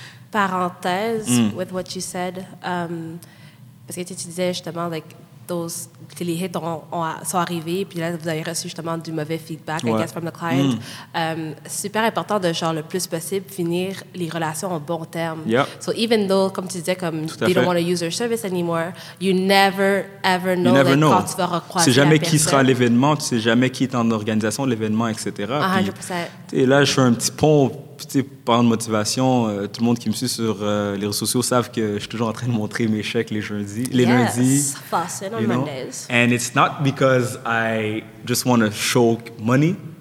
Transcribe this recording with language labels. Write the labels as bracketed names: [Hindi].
[French] Parenthèse, [English] with what you said, [French] parce que tu disais justement, like, those, les hits sont arrivés, puis là, vous avez reçu justement du mauvais feedback, [English] I guess, from the client. [French] Super important de, genre, le plus possible, finir les relations en bon terme. [English] Yep. So even though, [French] comme tu disais, comme [English] they don't want to use your service anymore, you never, ever know, never know. [French] Quand tu vas recroiser. Tu sais jamais qui sera à l'événement, tu sais jamais qui est en organisation de l'événement, etc. 100%. Et là, je fais un petit pont, petit pont de motivation. Tout le monde qui me suit sur les réseaux sociaux savent que je suis toujours en train de montrer mes chèques les lundis. [English] Yes, fasten on Mondays. And it's not because I just want to show money.